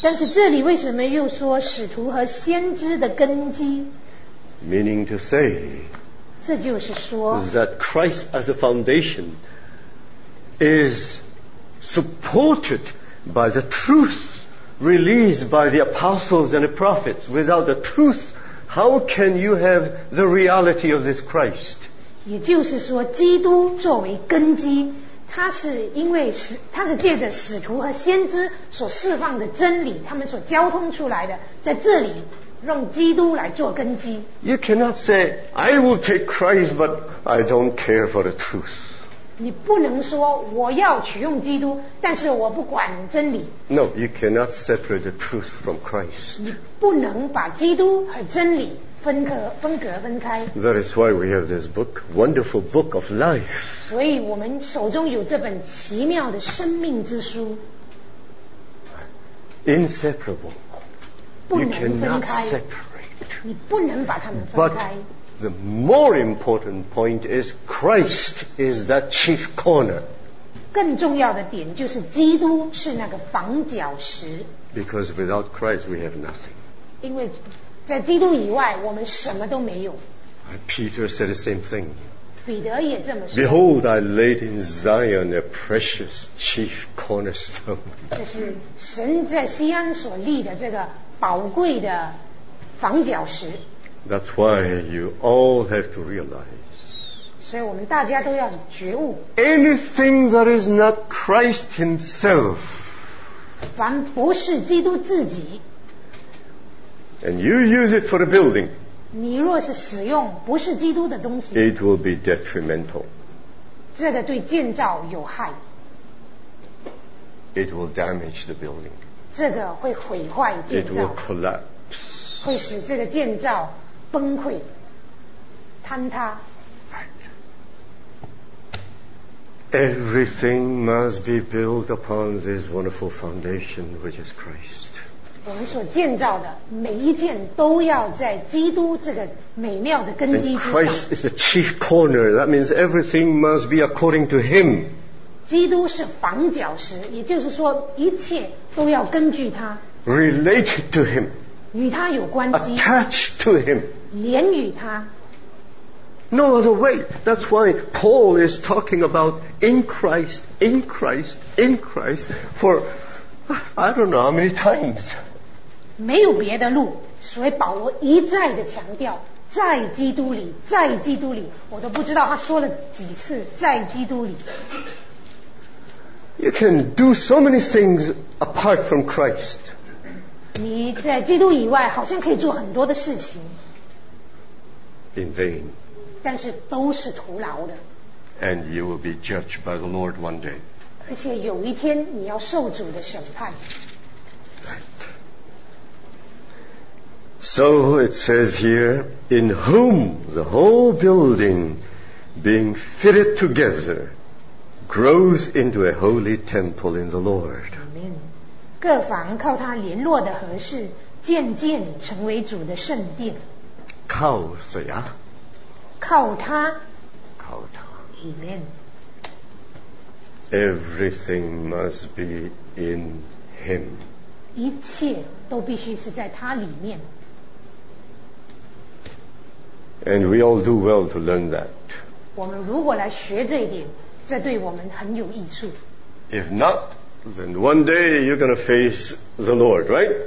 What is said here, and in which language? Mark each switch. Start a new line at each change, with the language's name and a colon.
Chinese: 但是这里为什么又说使徒和先知的根基？
English: Meaning to say,
Chinese: 这就是说
English: that Christ as the foundation is supported by the truth released by the apostles and the prophets. Without the truth, how can you have the reality of this Christ?
Chinese: 也就是说，基督作为根基，它是因为它是借着使徒和先知所释放的真理，他们所交通出来的，在这里。让基督来做根基。
English: You cannot say I will take Christ, but I don't care for the truth.
Chinese: 你不能说我要取用基督，但是我不管真理。
English: No, you cannot separate the truth from Christ.
Chinese: 你不能把基督和真理分隔开。
English: That is why we have this book, wonderful book of life.
Chinese: 所以我们手中有这本奇妙的生命之书。
English: Inseparable. You cannot separate.
Chinese: 你不能把他们分开。
English: But the more important point is Christ is the chief corner.
Chinese: 更重要的点就是基督是那个房角石。
English: Because without Christ we have nothing.
Chinese: 因为在基督以外我们什么都没有。
English: Peter said the same thing.
Chinese: 彼得也这么说。
English: Behold, I laid in Zion a precious chief cornerstone.
Chinese: 这是神在锡安所立的这个宝贵的房角石。
English: That's why you all have to realize.
Chinese: 所以我们大家都要觉悟。
English: Anything that is not Christ Himself.
Chinese: 凡不是基督自己。
English: And you use it for the building.
Chinese: 你若是使用不是基督的东西。
English: It will be detrimental.
Chinese: 这个对建造有害。
English: It will damage the building.
Chinese: 这个会毁坏建造
English: It will collapse.
Chinese: 会使这个建造崩溃坍塌
English: Everything must be built upon this wonderful foundation which is Christ.
Chinese: 我们所建造的每一件都要在基督这个美妙的根基之上
English: And Christ is the chief corner. That means everything must be according to him.
Chinese: 基督是房角石，也就是说，一切都要根据他。
English: Related to him，
Chinese: 与他有关系。
English: Attached to him，
Chinese: 连与他。
English: No other way. That's why Paul is talking about in Christ, in Christ, in Christ for I don't know how many times.
Chinese: 没有别的路，所以保罗一再的强调，在基督里，在基督里，我都不知道他说了几次，在基督里。
English: You can do so many things apart from Christ.
Chinese: 你在基督以外好像可以做很多的事情。
English: In vain.
Chinese: 但是都是徒劳的。
English: And you will be judged by the Lord one day.
Chinese: 而且有一天你要受主的审判。
English: So it says here, in whom the whole building being fitted together grows into a holy temple in the Lord. Amen.
Chinese: 各房靠他联络的合适，渐渐成为主的圣殿。靠谁啊？靠他。靠他。
English: Amen. Everything must be in him.
Chinese: 一切都必须是在他里面。
English: And we all do well to learn that.
Chinese: 我们如果来学这一点，这对我们很有益处。
English: If not, then one day you're going to face the Lord, right?